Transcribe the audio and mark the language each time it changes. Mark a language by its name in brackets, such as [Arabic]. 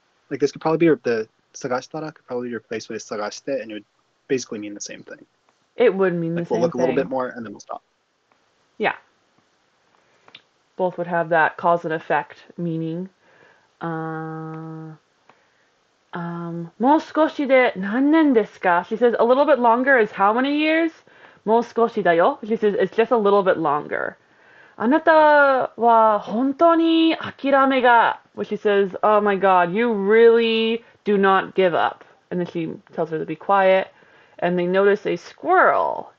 [English] Like, this could probably be the sagashitara could probably be replaced with sagashite, and it would basically mean the same thing. It would mean the same thing. We'll look a little bit more, and then we'll stop. Yeah. Both would have that cause and effect meaning. [Japanese] もう少しで何年ですか? [English] She says, a little bit longer is how many years? [Japanese] もう少しだよ? [English] She says, it's just a little bit longer. [Japanese] あなたは本当に諦めが [English] Well, she says, oh my god, you really do not give up. And then she tells her to be quiet. And they notice a squirrel.